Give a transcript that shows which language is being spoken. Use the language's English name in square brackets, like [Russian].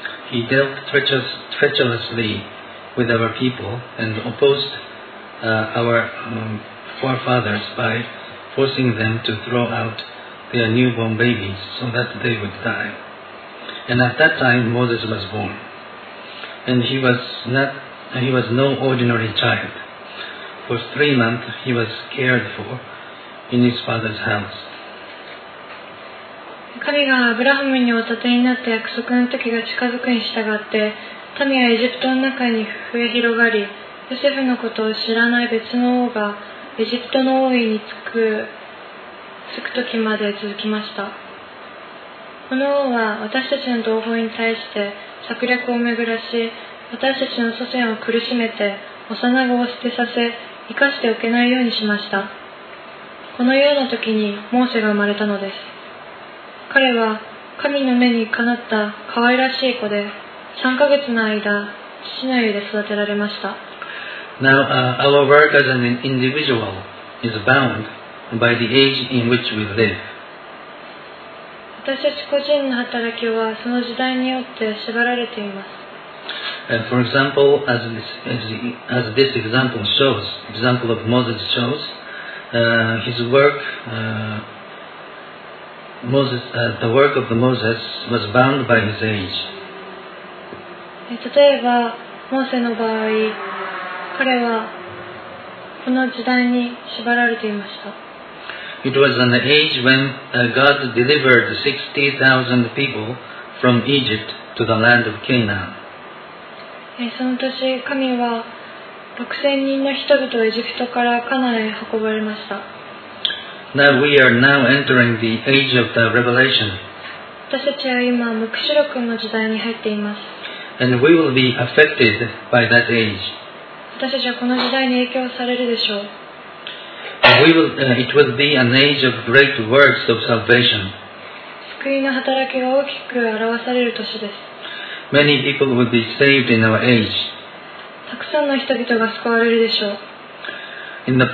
[English] He dealt treacherously with our people and opposed our forefathers by forcing them to throw out their newborn babies so that they would die. And at that time, Moses was born. And he was no ordinary child. For 3 months, he was cared for in his father's house. [Japanese] 神がアブラハムにお立てになった約束の時が近づくに従って、民はエジプトの中に増え広がり、ヨセフのことを知らない別の王がエジプトの王位に着く時まで続きました。この王は私たちの同胞に対して策略を巡らし、私たちの祖先を苦しめて幼子を捨てさせ生かしておけないようにしました。このような時にモーセが生まれたのです。彼は神の目にかなった可愛らしい子で、3ヶ月の間父の家で育てられました。 [English] Now, our work as an individual is bound by the age in which we live. [Japanese] 私たち個人の働きはその時代によって縛られています。 [English] For example, as this example shows, example of Moses shows, his work, Moses, the work of the Moses was bound by his age. [Japanese] 例えばモーセの場合、彼はこの時代に縛られていました。 [English] It was an age when God delivered 60,000 people from Egypt to the land of Canaan. [Japanese] その年、神は6000人の人々をエジプトからカナンへ運ばれました。 [English] Now we are now entering the age of the revelation. [Japanese] 私たちは今、黙示録の時代に入っています。 [English] And we will be affected by that age. [Japanese] 私たちはこの時代に影響されるでしょう。 [English] It will be an age of great works of salvation. [Japanese] 救いの働きが大きく表される年です。 [English] Many people will be saved in our age. [Japanese] たくさんの人々が救われるでしょう。